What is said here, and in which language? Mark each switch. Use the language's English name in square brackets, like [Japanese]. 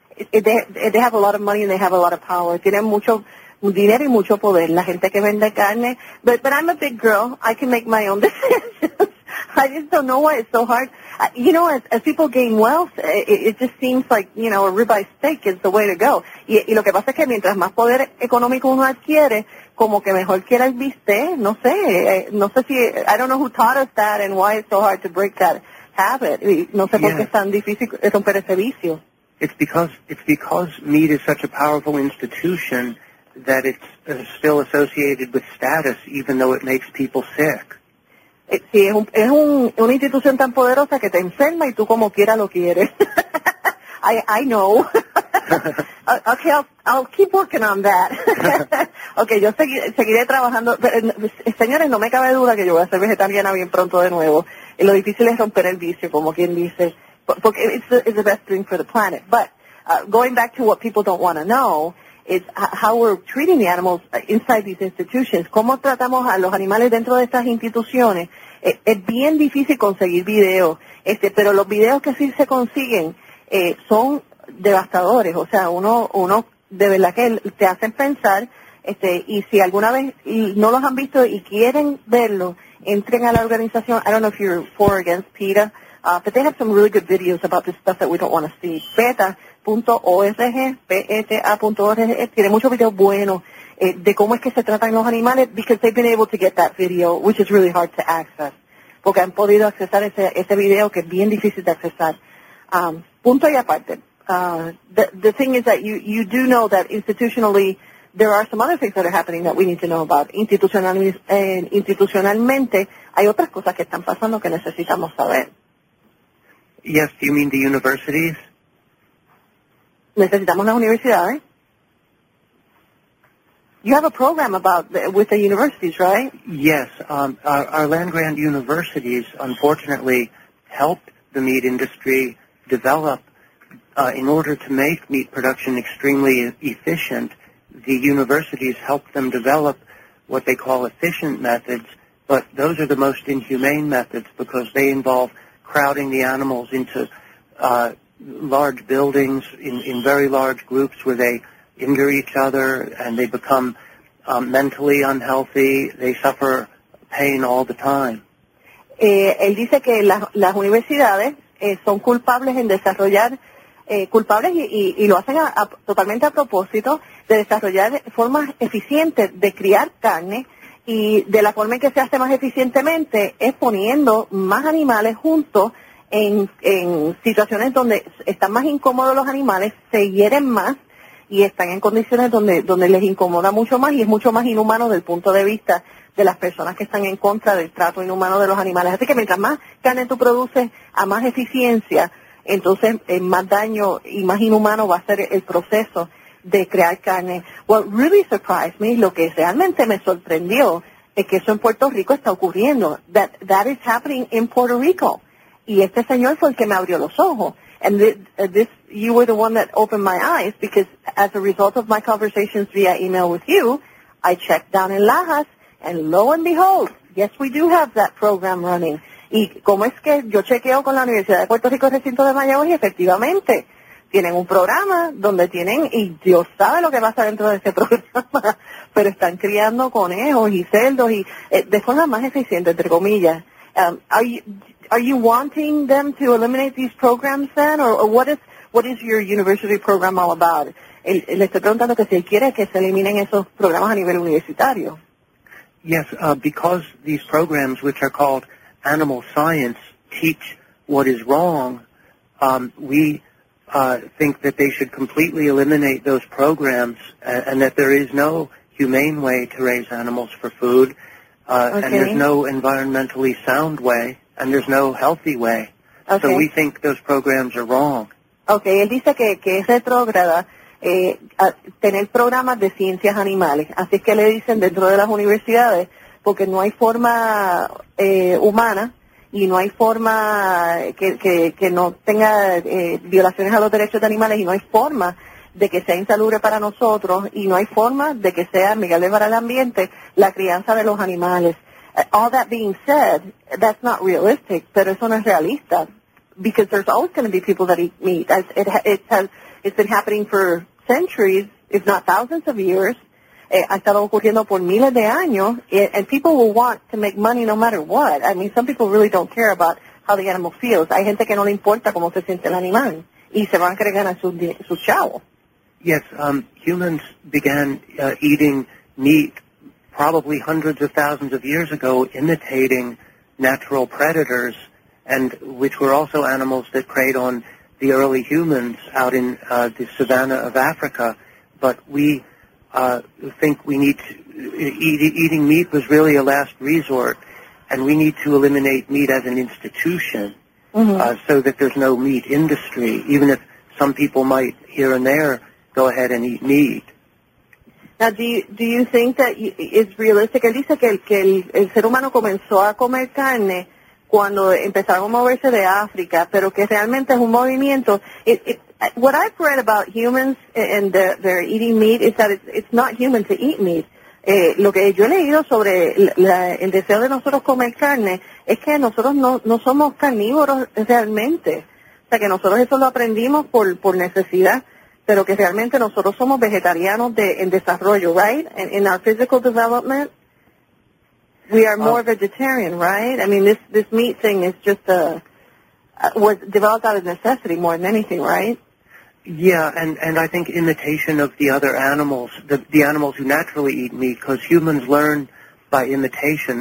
[English] They have a lot of money and they have a lot of power. [Spanish] Tienen mucho dinero y mucho poder la gente que vende carne. [English] But I'm a big girl. I can make my own decisions. I just don't know why it's so hard. You know, as people gain wealth, it just seems like, you know, a ribeye steak is the way to go. [Spanish] Y lo que pasa es que mientras más poder económico uno adquiere, como que mejor quiera el bistec. No sé, no sé si, [English] I don't know who taught us that and why it's so hard to break that habit. [Spanish] Y no sé por qué es tan difícil romper ese vicio. [English] It's because meat is such a powerful institution that it's still associated with status, even though it makes people sick. [Spanish] Sí, es una institución tan poderosa que te enferma y tú como quiera lo quieres. [English] I know. Okay, I'll keep working on that. [Spanish] Okay, yo seguiré trabajando. Señores, no me cabe duda que yo voy a ser vegetariana bien pronto de nuevo. Y lo difícil es romper el vicio, como quien dice. Porque [English] it's the best thing for the planet. But going back to what people don't want to know, is how we're treating the animals inside these institutions. [Spanish] ¿Cómo tratamos a los animales dentro de estas instituciones? Es bien difícil conseguir videos, pero los videos que sí se consiguen son devastadores. O sea, uno de verdad que te hacen pensar, y si alguna vez no los han visto y quieren verlos, entren a la organización. [English] I don't know if you're for or against PETA, but they have some really good videos about this stuff that we don't want to see. [Spanish] PETA.org, PETA.org, tiene muchos videos buenos de cómo es que se tratan los animales, [English] because they've been able to get that video, which is really hard to access, [Spanish] porque han podido accesar ese video que es bien difícil de accesar. Punto y aparte, [English] the thing is that you do know that institutionally there are some other things that are happening that we need to know about. [Spanish] Institucionalmente hay otras cosas que están pasando que necesitamos saber. [English] Yes, do you mean the universities? [Spanish] Necesitamos las universidades. [English] You have a program with the universities, right? Yes. Our land-grant universities, unfortunately, helped the meat industry develop. In order to make meat production extremely efficient, the universities helped them develop what they call efficient methods, but those are the most inhumane methods because they involve crowding the animals into large buildings in very large groups where they injure each other and they become mentally unhealthy. They suffer pain all the time. [Spanish] Él dice que las universidades son culpables en desarrollar, culpables y lo hacen totalmente a propósito, de desarrollar formas eficientes de criar carne, y de la forma en que se hace más eficientemente es poniendo más animales juntos en situaciones donde están más incómodos los animales, se hieren más y están en condiciones donde les incomoda mucho más y es mucho más inhumano desde el punto de vista de las personas que están en contra del trato inhumano de los animales. Así que mientras más carne tú produces a más eficiencia, entonces más daño y más inhumano va a ser el proceso de crear carne. [English] What really surprised me, [Spanish] lo que realmente me sorprendió, es que eso en Puerto Rico está ocurriendo. [English] That is happening in Puerto Rico. [Spanish] Y este señor fue el que me abrió los ojos. [English] And this, you were the one that opened my eyes, because as a result of my conversations via email with you, I checked down in Lajas, and lo and behold, yes, we do have that program running. [Spanish] Y cómo es que yo chequeo con la Universidad de Puerto Rico, Recinto de Mayagüez, y efectivamente, tienen un programa donde tienen, y Dios sabe lo que pasa dentro de ese programa, pero están criando conejos y cerdos, y de forma más eficiente, entre comillas. [English] Are you wanting them to eliminate these programs then, or what is your university program all about? [Spanish] Le estoy preguntando que si él quiere que se eliminen esos programas a nivel universitario. [English] Yes, because these programs, which are called animal science, teach what is wrong, we think that they should completely eliminate those programs and that there is no humane way to raise animals for food, and there's no environmentally sound way. And there's no healthy way. Okay. So we think those programs are wrong. [Spanish] Okay, él dice que es retrógrada tener programas de ciencias animales. Así es que le dicen dentro de las universidades, porque no hay forma humana y no hay forma que no tenga violaciones a los derechos de animales y no hay forma de que sea insalubre para nosotros y no hay forma de que sea amigable para el ambiente la crianza de los animales. [English] All that being said, that's not realistic, [Spanish] pero eso no es realista, [English] because there's always going to be people that eat meat. It's been happening for centuries, if not thousands of years, [Spanish] ha estado ocurriendo por miles de años, [English] and people will want to make money no matter what. I mean, some people really don't care about how the animal feels. [Spanish] Hay gente que no le importa cómo se siente el animal, y se van a querer ganar su chavo. [English] Yes, humans began eating meat probably hundreds of thousands of years ago, imitating natural predators, and which were also animals that preyed on the early humans out in the savanna of Africa. But we think we need to, eating meat was really a last resort, and we need to eliminate meat as an institution so that there's no meat industry, even if some people might here and there go ahead and eat meat. Now, do you think that it's realistic? [Spanish] Él dice que el ser humano comenzó a comer carne cuando empezaron a moverse de África, pero que realmente es un movimiento. [English] What I've read about humans and their eating meat is that it's not human to eat meat. [Spanish] Lo que yo he leído sobre el deseo de nosotros comer carne es que nosotros no somos carnívoros realmente. O sea, que nosotros eso lo aprendimos por necesidad, pero que realmente nosotros somos vegetarianos en desarrollo, right? [English] In our physical development, we are more vegetarian, right? I mean, this meat thing is just was developed out of necessity more than anything, right? Yeah, and I think imitation of the other animals, the animals who naturally eat meat, because humans learn by imitation.